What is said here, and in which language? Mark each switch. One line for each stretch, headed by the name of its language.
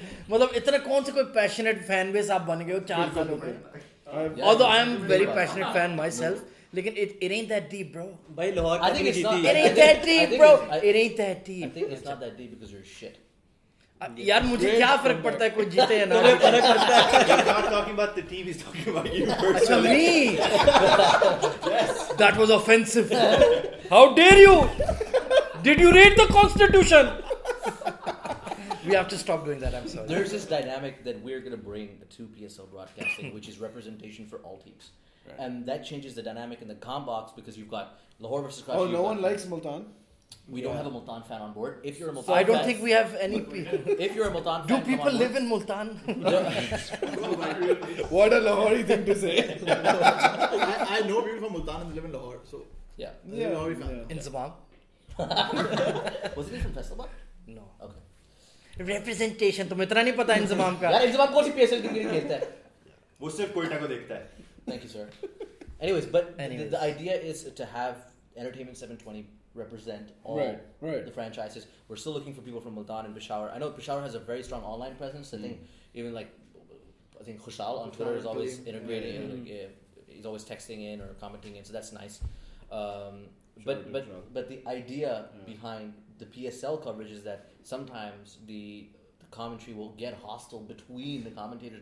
Hindi: मतलब इतना कौन से कोई पैशनेट फैन बेस आप बन गए हो चार सालों में
English: although I am very passionate fan myself लेकिन it ain't that deep bro
Hindi: भाई Lahore
English: I think it's not it ain't that deep bro it ain't that deep I think it's not that deep because you are shit
Hindi: यार मुझे क्या फर्क पड़ता है कोई जीते या ना तुम्हें फर्क पड़ता है
English: Not talking about the team is talking about you अच्छा me that was offensive how dare you did you read the constitution. We have to stop doing that, I'm sorry. There's this dynamic that we're going to bring to PSL broadcasting, which is representation for all teams. Right. And that changes the dynamic in the comm box because you've got Lahore versus Karachi. Oh, no one likes Multan. We don't have a Multan fan on board. If you're a Multan fan... So I don't think we have any people. If you're a Multan fan, do people live in Multan? What a Lahori thing to say. I know people from Multan and live in Lahore, so... Yeah. Lahori fan. In Zabang? Was it from Festival? No. Okay.
Hindi: Representation तो मेरा नहीं पता इंजमाम का यार इंजमाम कौन सी PSL के लिए खेलता है वो सिर्फ कोयटा को देखता है.
English: Thank you sir. Anyways, but anyways. The idea is to have Entertainment 720 represent all right. the franchises. We're still looking for people from Multan and Peshawar. I know Peshawar has a very strong online presence. I think even like I think Khushal on Twitter is always integrating. Yeah. Like, yeah, he's always texting in or commenting in. So that's nice. But the idea behind the PSL coverage is that sometimes the commentary will get hostile between the commentators.